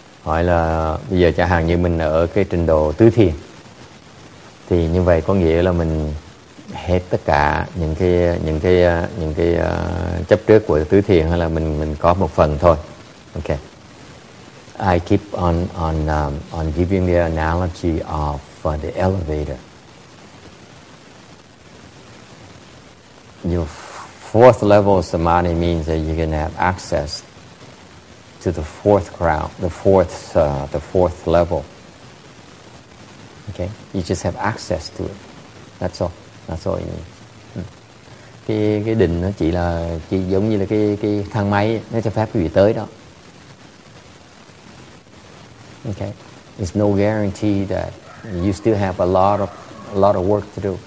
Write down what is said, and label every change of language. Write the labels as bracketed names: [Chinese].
[Vietnamese] Hỏi là bây giờ chẳng hạn như mình ở cái trình độ tứ thiền, thì như vậy có nghĩa là mình hết tất cả những cái chấp trước của tứ thiền, hay là mình có một phần thôi. [English] Okay. I keep on giving the analogy of the elevator. Your fourth level of samadhi means that you're going to have access to the fourth crown, the fourth level. Okay, you just have access to it. That's all you need. [Vietnamese] Cái đỉnh nó chỉ là chỉ giống như là cái thang máy nó cho phép quý vị tới đó. [English] Okay, it's no guarantee that you still have a lot of work to do.